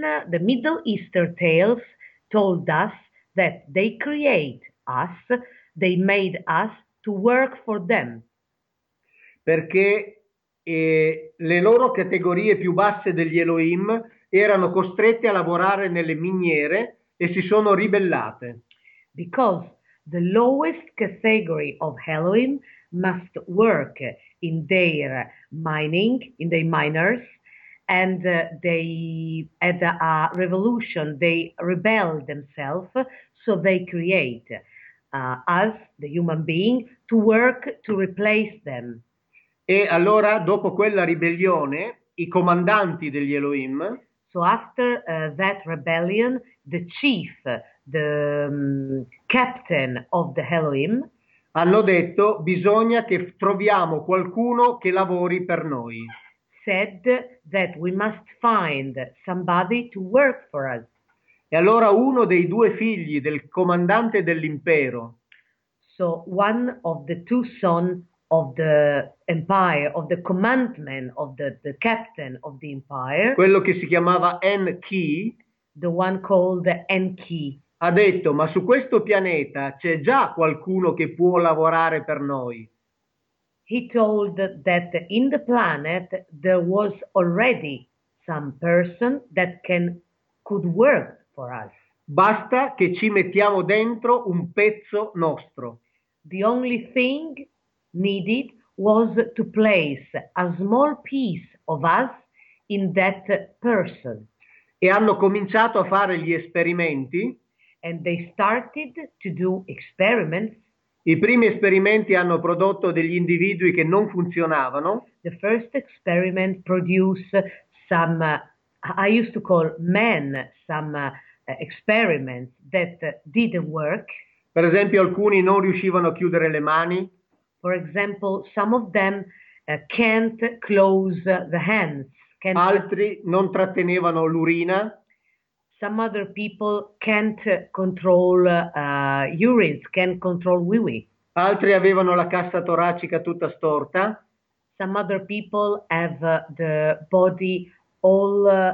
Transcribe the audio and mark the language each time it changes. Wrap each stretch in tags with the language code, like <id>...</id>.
<en>The Middle Eastern tales told us that they create us, they made us to work for them.</en> <it>Perché le loro categorie più basse degli Elohim erano costrette a lavorare nelle miniere e si sono ribellate.</it> <en>Because the lowest category of Elohim must work in their mining, in their miners, and they had a revolution, they rebelled themselves, so they create us, the human being, to work to replace them.</en> <it>E allora, dopo quella ribellione, i comandanti degli Elohim,</it> <en>So after that rebellion, the chief, the captain of the Elohim,</en> <it>hanno detto: bisogna che troviamo qualcuno che lavori per noi.</it> <en>said that we must find somebody to work for us.</en> <it>E allora uno dei due figli del comandante dell'impero,</it> <en>So one of the two sons of the empire, of the commandment, of the captain of the empire,</en> <it>quello che si chiamava Enki,</it> <en>the one called Enki.</en> <it>ha detto: ma su questo pianeta c'è già qualcuno che può lavorare per noi.</it> <en>He told that in the planet there was already some person that could work for us.</en> <it>Basta che ci mettiamo dentro un pezzo nostro.</it> <en>The only thing needed was to place a small piece of us in that person.</en> <it>E hanno cominciato a fare gli esperimenti. I</it> <en>And they started to do experiments.</en> <it>primi esperimenti hanno prodotto degli individui che non funzionavano.</it> <en>The first experiment produced some, I used to call men, some experiments that didn't work.</en> <it>Per esempio, alcuni non riuscivano a chiudere le mani.</it> <en>For example, some of them can't close the hands, can't.</en> <it>Altri non trattenevano l'urina.</it> <en>Some other people can't control urines, can't control wee-wee.</en> <it>Altri avevano la cassa toracica tutta storta.</it> <en>Some other people have the body all</en>